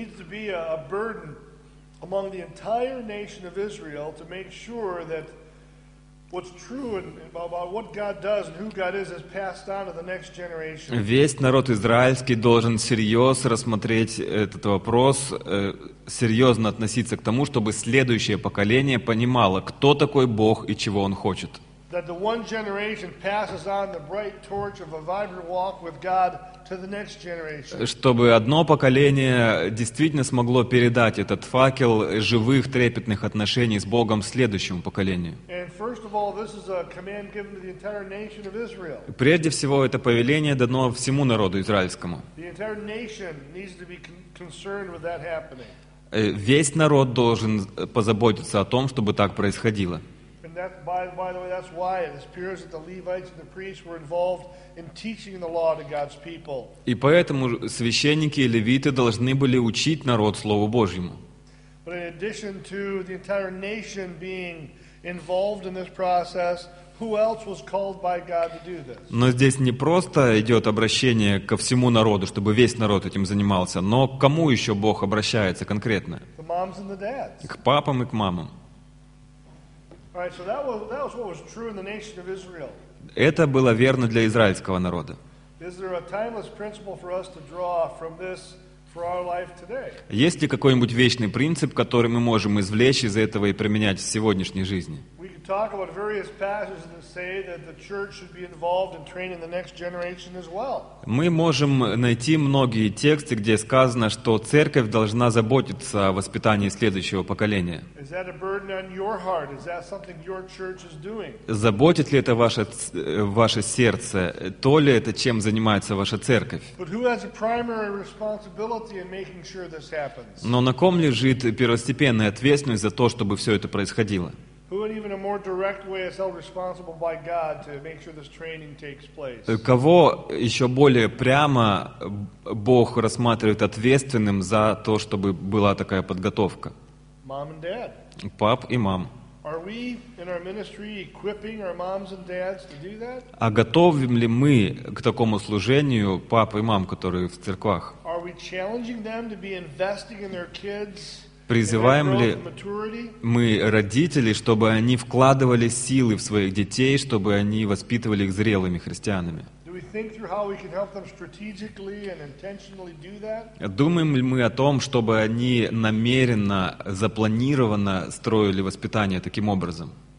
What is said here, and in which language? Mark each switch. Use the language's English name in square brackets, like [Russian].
[Russian] Весь народ израильский должен серьезно рассмотреть этот вопрос, серьезно относиться к тому, чтобы следующее поколение понимало, кто такой Бог и чего Он хочет. [English] That the one generation passes on the bright torch of a vibrant walk with God to the next generation. [Russian] Чтобы одно поколение действительно смогло передать этот факел живых трепетных отношений с Богом следующему поколению. [English] And first of all, this is a command given to the entire nation of Israel. [Russian] Прежде всего, это повеление дано всему народу израильскому. [English] The entire nation needs to be concerned with that happening. [Russian] Весь народ должен позаботиться о том, чтобы так происходило. [English] By the way, that's why it appears that the Levites and the priests were involved in teaching the law to God's people. [Russian] И поэтому священники и левиты должны были учить народ Слову Божьему. [English] But in addition to the entire nation being involved in this process, who else was called by God to do this? [Russian] Но здесь не просто идет обращение ко всему народу, чтобы весь народ этим занимался, но к кому еще Бог обращается конкретно? [English] The moms and the dads. [Russian] К папам и к мамам. [English] Right, so that was what was true in the nation of Israel. [Russian] Это было верно для израильского народа. [English] Is there a timeless principle for us to draw from this for our life today? [Russian] Есть ли какой-нибудь вечный принцип, который мы можем извлечь из этого и применять в сегодняшней жизни? [English] We could talk about various passages that say that the church should be involved in training the next generation as well. [Russian] Мы можем найти многие тексты, где сказано, что церковь должна заботиться о воспитании следующего поколения. [English] Is that a burden on your heart? Is that something your church is doing? [Russian] Заботит ли это ваше сердце? То ли это чем занимается ваша церковь? [English] But who has a primary responsibility in making sure this happens? [Russian] Но на ком лежит первостепенная ответственность за то, чтобы все это происходило? [English] Who in even a more direct way is held responsible by God to make sure this training takes place? [Russian] Кого еще более прямо Бог рассматривает ответственным за то, чтобы была такая подготовка? [English] Mom and dad. [Russian] Пап и мам. [English] Are we in our ministry equipping our moms and dads to do that? [Russian] А готовим ли мы к такому служению пап и мам, которые в церквах? [English] Are we challenging them to be investing in their kids? [Russian] Призываем ли мы родителей, чтобы они вкладывали силы в своих детей, чтобы они воспитывали их зрелыми христианами? Думаем ли мы о том, чтобы они намеренно, запланированно строили воспитание таким образом?